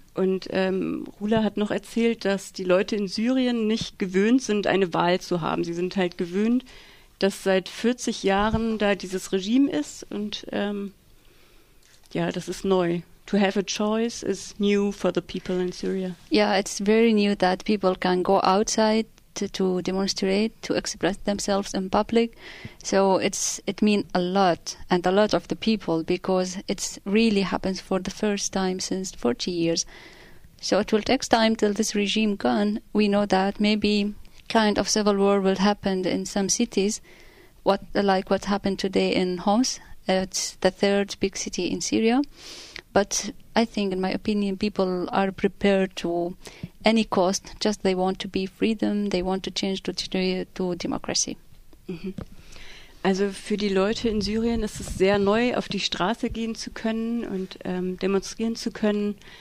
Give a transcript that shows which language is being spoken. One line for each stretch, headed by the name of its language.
German: Und Rula hat noch erzählt, dass die Leute in Syrien nicht gewöhnt sind, eine Wahl zu haben. Sie sind halt gewöhnt, dass seit 40 Jahren da dieses Regime ist und
English: yeah, this is new. To have a choice is new for the people in Syria. Yeah, it's very new that people can go outside to demonstrate, to express themselves in public. So it means a lot, and a lot of the people, because it really happens for the first time since 40 years. So it will take time till this regime gone. We know that maybe kind of civil war will happen in some cities, like what happened today in Homs. It's the third big city in Syria. But I think, in my opinion, people are prepared to any cost. Just they want to be freedom. They want to change to democracy.
German: Also für die Leute in Syrien ist es sehr neu, auf die Straße gehen zu können und demonstrieren zu können.